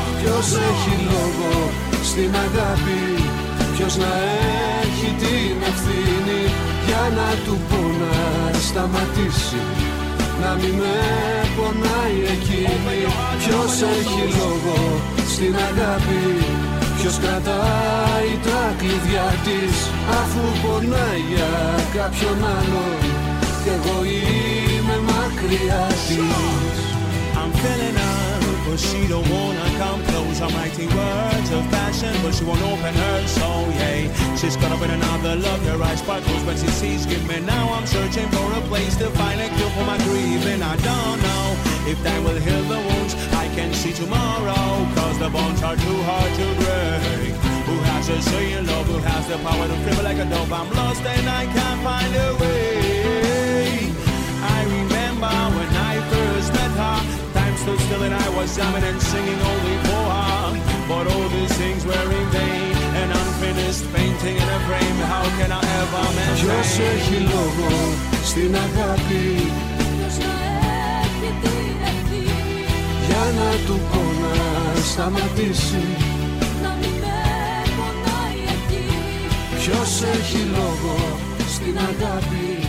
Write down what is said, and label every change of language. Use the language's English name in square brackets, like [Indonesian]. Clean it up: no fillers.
[Greek] Ποιος έχει λόγο στην αγάπη, ποιος να έχει την ευθύνη για να του πω να σταματήσει, να μην με πονάει εκείνη. Ποιος έχει λόγο στην αγάπη, ποιος κρατάει τα κλειδιά της, αφού πονάει για κάποιον άλλο κι εγώ είμαι μακριά της. [English] I'm feeling out, but she don't wanna come close. I'm writing words of passion, but she won't open her soul, yeah. She's caught up in another love, her eyes sparkles when she sees giving. Now I'm searching for a place to find a cure for my grieving. I don't know if that will heal the wounds I can see tomorrow, cause the bones are too hard to break. Who has a say in love, who has the power to feel like a dove? I'm lost and I can't find a way. I remember when I first met her, so still and I was jamming and singing only for her. But all these things were in vain, an unfinished painting in a frame. How can I ever maintain? [Greek] Ποιος έχει λόγο στην αγάπη, ποιος έχει την ευθύνη για να του πω να σταματήσει, να μην με πονάει εκείνη. Ποιος έχει λόγο στην αγάπη,